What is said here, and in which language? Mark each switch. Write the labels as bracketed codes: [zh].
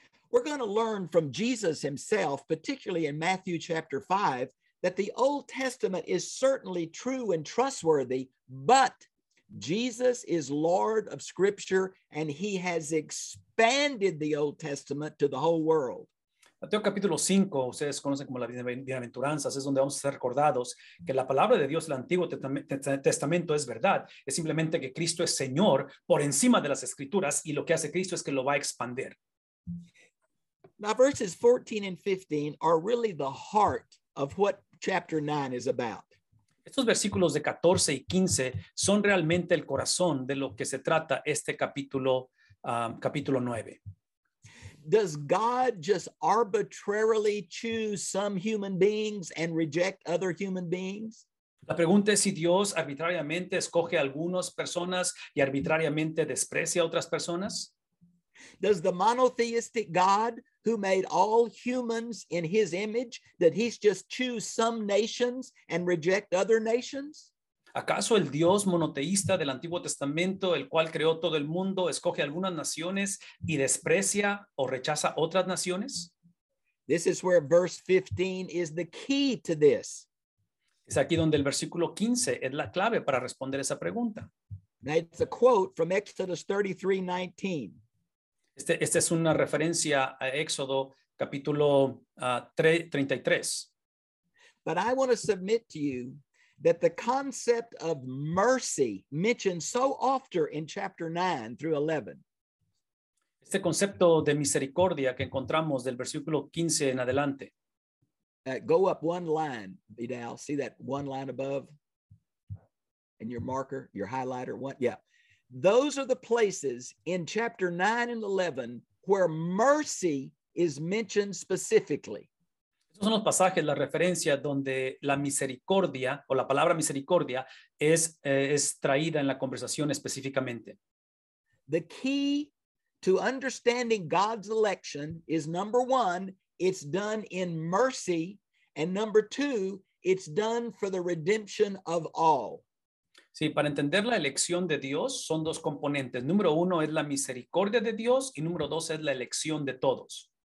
[en] We're going to learn from Jesus himself, particularly in Matthew chapter 5, that the Old Testament is certainly true and trustworthy, but Jesus is Lord of Scripture, and he has expanded the Old Testament to the whole world. [es] Mateo capítulo 5, ustedes conocen como las bienaventuranzas, es donde vamos a ser recordados que la palabra de Dios del Antiguo Testamento es verdad. Es simplemente que Cristo es Señor por encima de las Escrituras y lo que hace Cristo es que lo va a expandir. [en] Now verses 14 and 15 are really the heart of what chapter 9 is about. [es] Estos versículos de 14 y 15 son realmente el corazón de lo que se trata este capítulo, capítulo 9. [en] Does God just arbitrarily choose some human beings and reject other human beings? [es] La pregunta es si Dios arbitrariamente escoge algunas personas y arbitrariamente desprecia a otras personas. [en] Does the monotheistic God who made all humans in his image, that he's just choose some nations and reject other nations? [es] ¿Acaso el Dios monoteísta del Antiguo Testamento, el cual creó todo el mundo, escoge algunas naciones y desprecia o rechaza otras naciones? [en] This is where verse 15 is the key to this. [es] Es aquí donde el versículo 15 es la clave para responder esa pregunta. [en] Now it's a quote from Exodus 33:19. [es] Esta es una referencia a Éxodo capítulo 33. [en] But I want to submit to you that the concept of mercy mentioned so often in chapter 9 through 11. [es] Este concepto de misericordia que encontramos del versículo 15 en adelante. [en] Go up one line, Vidal. See that one line above? And your marker, your highlighter. One, yeah. Those are the places in chapter 9 and 11 where mercy is mentioned specifically. [es] Estos son los pasajes, la referencia donde la misericordia o la palabra misericordia es traída en la conversación específicamente. [en] The key to understanding God's election is number one, it's done in mercy, and number two, it's done for the redemption of all. [es] Sí, para entender la elección de Dios son dos componentes. Número uno es la misericordia de Dios y número dos es la elección de todos.